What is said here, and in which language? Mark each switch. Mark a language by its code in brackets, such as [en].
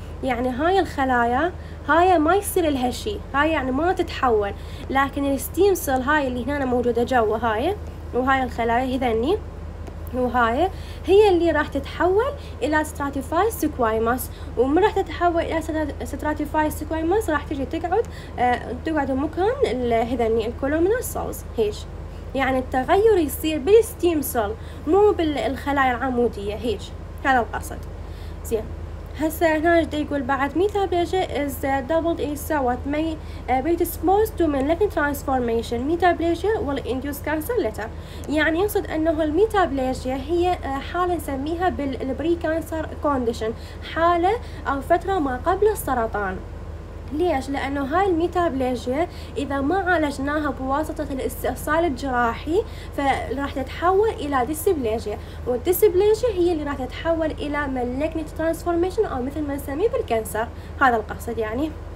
[ar] يعني هاي الخلايا هاي ما يصير لها شيء، هاي يعني ما تتحول، لكن الستيم سيل هاي اللي هنا موجوده جوا هاي، وهاي الخلايا هذني وهاي هي اللي راح تتحول الى ستراتيفايد سكوايموس. وما راح تتحول الى ستراتيفايد سكوايموس، راح تجي تقعد مكان هذني الكولومنر سيلز. هيش يعني التغير يصير بالستيم سيل مو بالخلايا العموديه. هيش هذا القصد. زين هسه هنا جد يقول بعد ميتابليجا [en] is doubled in what may be disposed to malignant transformation. Metaplasia will induce cancer later. [ar] يعني يقصد انه الميتابليجا هي حالة نسميها بالبري كانسر كونديشن، حالة او فترة ما قبل السرطان. ليش؟ لانه هاي الميتابليجيا اذا ما عالجناها بواسطة الاستئصال الجراحي فراح تتحول الى ديسبليجيا، والديسبليجيا هي اللي راح تتحول الى مالجنت ترانسفورميشن او مثل ما نسميه بالكنسر. هذا القصد يعني.